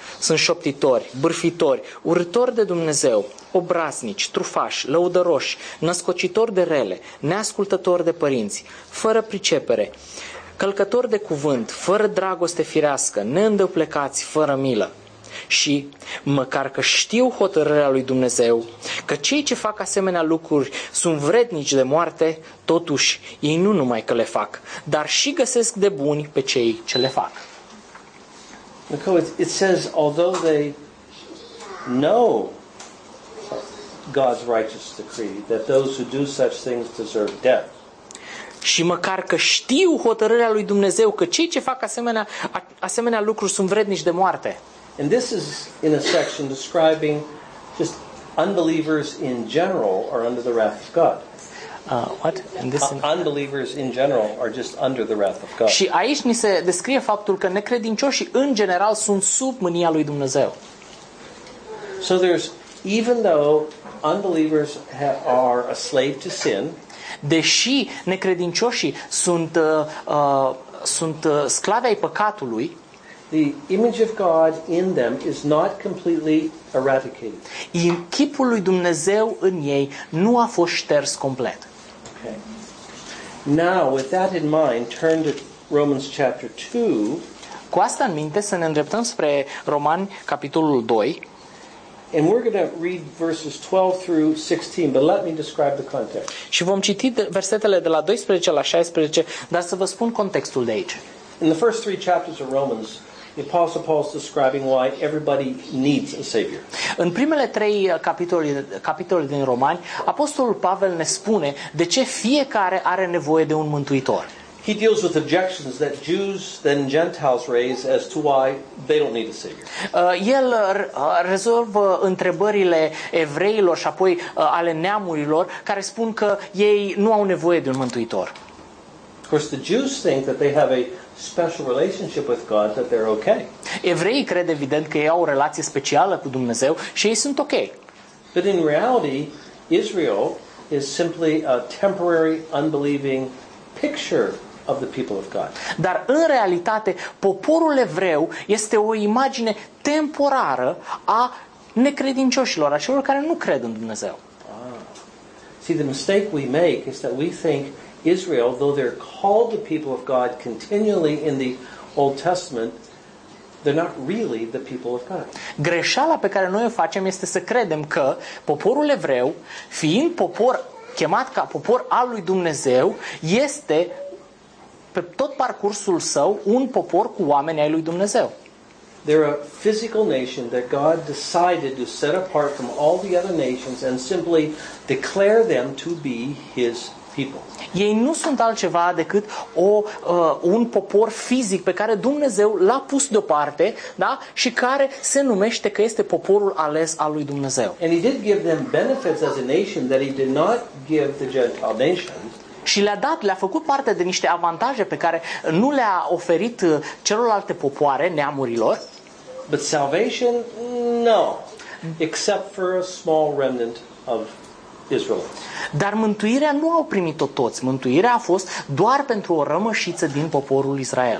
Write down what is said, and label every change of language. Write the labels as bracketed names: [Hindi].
[Romanian] Sunt șoptitori, bârfitori, urâtori de Dumnezeu, obraznici, trufași, lăudăroși, născocitori de rele, neascultători de părinți, fără pricepere, călcători de cuvânt, fără dragoste firească, neîndeplecați, fără milă. Și, măcar că știu hotărârea lui Dumnezeu, că cei ce fac asemenea lucruri sunt vrednici de moarte, totuși ei nu numai că le fac, dar și găsesc de buni pe cei ce le fac. [English] It says, although they know God's righteous decree that those who do such things deserve death. [Romanian] Și măcar că știu hotărârea lui Dumnezeu că cei ce fac asemenea lucruri sunt vrednici de moarte. [English] And this is in a section describing just unbelievers in general are under the wrath of God. What? And this unbelievers in general are just under the wrath of God. [Romanian] Și aici ni se descrie faptul că necredincioșii în general sunt sub mânia lui Dumnezeu. [English] So there's even though unbelievers are a slave to sin. [Romanian] Deși necredincioșii sunt sclavi ai păcatului. [English] The image of God in them is not completely eradicated. [Romanian] Chipul lui Dumnezeu în ei nu a fost șters complet. [English] Okay. Now, with that in mind, turn to Romans chapter 2. [Romanian] Cu asta în minte, să ne îndreptăm spre Romani capitolul 2. [English] And we're going to read verses 12 through 16, but let me describe the context. [Romanian] Și vom citi versetele de la 12 la 16, dar să vă spun contextul de aici. [English] In the first three chapters of Romans, the Apostle Paul is describing why everybody needs a savior. [Romanian] În primele trei capitole din Romani, Apostolul Pavel ne spune de ce fiecare are nevoie de un mântuitor. [English] He deals with objections that Jews then Gentiles raise as to why they don't need a savior. [Romanian] El rezolvă întrebările evreilor și apoi ale neamurilor care spun că ei nu au nevoie de un mântuitor. [English] Of course, the Jews think that they have a special relationship with God that they're okay. [Romanian] Evreii cred evident că ei au o relație specială cu Dumnezeu și ei sunt okay. [English] But in reality, Israel is simply a temporary unbelieving picture of the people of God. [Romanian] Dar în realitate, poporul evreu este o imagine temporară a necredincioșilor, a celor care nu cred în Dumnezeu. [English] See, the mistake we make is that we think Israel, though they're called the people of God continually in the Old Testament, They're not really the people of God. [Romanian] Greșeala pe care noi o facem este să credem că poporul evreu, fiind popor chemat ca popor al lui Dumnezeu, este pe tot parcursul său un popor cu oameni ai lui Dumnezeu. [English] They're a physical nation that God decided to set apart from all the other nations and simply declare them to be his people. [Romanian] Ei nu sunt altceva decât un popor fizic pe care Dumnezeu l-a pus deoparte, da? Și care se numește că este poporul ales al lui Dumnezeu. [English] And he did give them benefits as a nation that he did not give the Gentile nations. [Romanian] Și le-a făcut parte de niște avantaje pe care nu le-a oferit celorlalte popoare, neamurilor. [English] But salvation, no. Except for a small remnant of Israel. [Romanian] Dar mântuirea nu au primit-o toți. Mântuirea a fost doar pentru o rămășiță din poporul Israel.